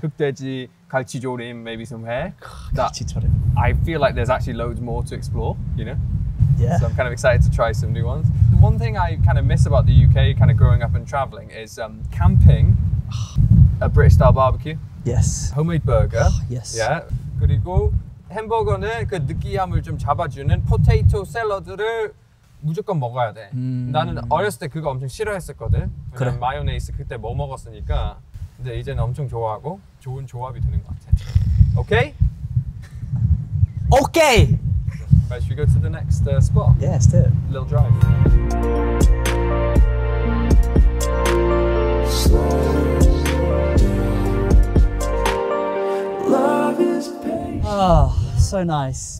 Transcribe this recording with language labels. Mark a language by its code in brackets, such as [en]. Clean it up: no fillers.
[en] 흑돼지, 갈치조림, maybe some hair. [ko] 갈치조림. [en] I feel like there's actually loads more to explore, you know? Yeah. So I'm kind of excited to try some new ones. The one thing I kind of miss about the UK, kind of growing up and traveling, is camping, a British style barbecue. Yes. Homemade burger. Yes. Yeah. [ko] 그리고 햄버거는 그 느끼함을 좀 잡아주는 포테이토 샐러드를 무조건 먹어야 돼. 나는 어렸을 때 그거 엄청 싫어했었거든. 그냥 그래. 마요네이즈 그때 뭐 먹었으니까. 근데 이제는 엄청 좋아하고 좋은 조합이 되는 것 같아. [en] 오케이? 오케이! Right, should we go to the next spot? Yeah, let's do it. Little drive. Oh, so nice.